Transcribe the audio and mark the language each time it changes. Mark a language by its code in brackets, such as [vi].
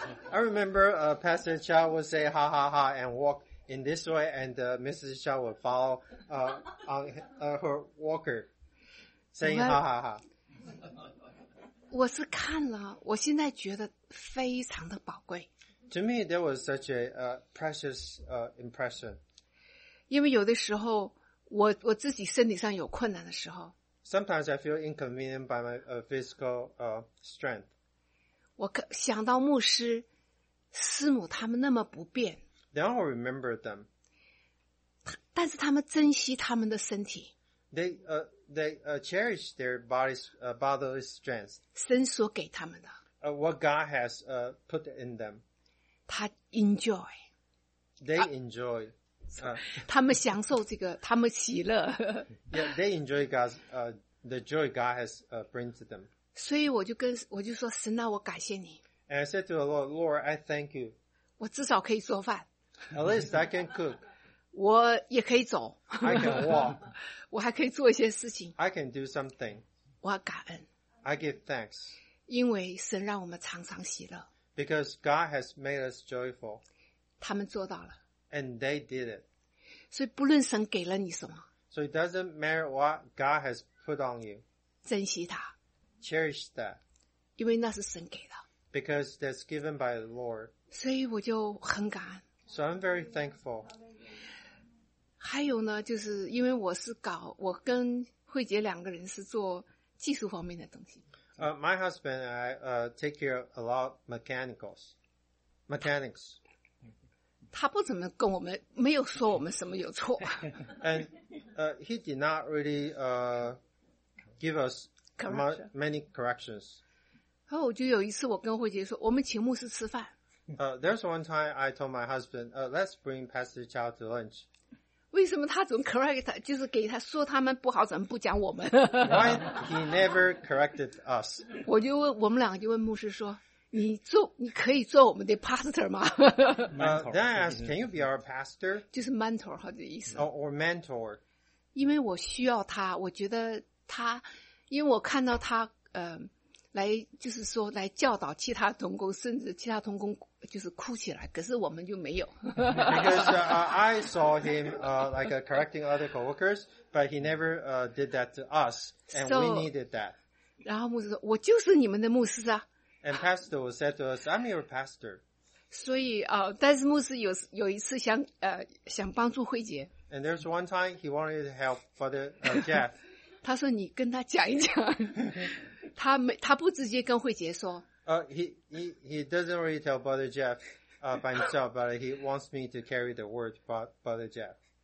[en] I remember Pastor Chow would say ha ha ha and walk in this way, and Mrs. Chow would follow on her walker, saying ha ha ha. [zh] 我是看了，我现在觉得非常的宝贵。 [en] To me, there was such a precious impression. [zh] 因为有的时候。我自己身体上有困难的时候 [en] Sometimes I feel inconvenient by my physical strength. [zh] 我想到牧师师母他们那么不便 [en] Then I'll remember them. [zh] 但是他们珍惜他们的身体。 [en] They cherish their bodies, bodily strength. [zh] 神所给他们的。 [en] What God has put in them. [zh] 他 [en] enjoy. They enjoy. [zh] 他们享受这个，他们喜乐。 [en] Yeah, they enjoy God's the joy God has bring to them. [zh] 所以我就说神啊，我感谢你。 [en] And I said to the Lord, Lord, I thank you. [zh] 我至少可以做饭。 [en] At least I can cook. [zh] 我也可以走。 [en] I can walk. [zh] 我还可以做一些事情。 [en] I can do something. [zh] 我感恩。 [en] I give thanks. [zh] 因为神让我们常常喜乐。 [en] Because God has made us joyful. [zh] 他们做到了。 [en] And they did it. [zh] 所以不论神给了你什么。 [en] So it doesn't matter what God has put on you. [zh] 珍惜他。 [en] Cherish that. [zh] 因为那是神给的。 [en] Because that's given by the Lord. [zh] 所以我就很感恩。 [en] So I'm very thankful. [zh] 还有呢，就是因为我是搞，我跟慧杰两个人是做技术方面的东西。 [en] My husband and I take care of a lot of mechanics. [zh] 他不怎么跟我们，没有说我们什么有错。 [en] And he did not really give us many corrections. [zh] 然后我就有一次，我跟慧杰说，我们请牧师吃饭。 [en] There's one time I told my husband, let's bring Pastor Chow to lunch. [zh] 为什么他总 [en] correct [zh] 他，就是给他说他们不好，怎么不讲我们 [en] ？Why he never corrected us? [zh] 我就问我们两个，就问牧师说，你可以做我们的 [en] pastor [zh] 吗 [en] ？Then I asked, can you be our pastor? [zh] 就是 [en] mentor [zh] 好的意思。 [en] Or mentor. [zh] 因为我需要他，我觉得他，因为我看到他，来就是说来教导其他同工，甚至其他同工就是哭起来，可是我们就没有。 [en] Because I saw him like correcting other coworkers, but he never did that to us, and so, we needed that. [zh] 然后牧师说：“我就是你们的牧师啊。” [en] And pastor said to us, "I'm your pastor." [zh] 所以但是牧师有一次想帮助慧杰。 [en] And there's one time he wanted to help Father Jeff. [zh] 他说：“你跟他讲一讲。”他不直接跟慧杰说。 [en] He doesn't really tell Brother Jeff by himself, but he wants me to carry the word by Brother Jeff.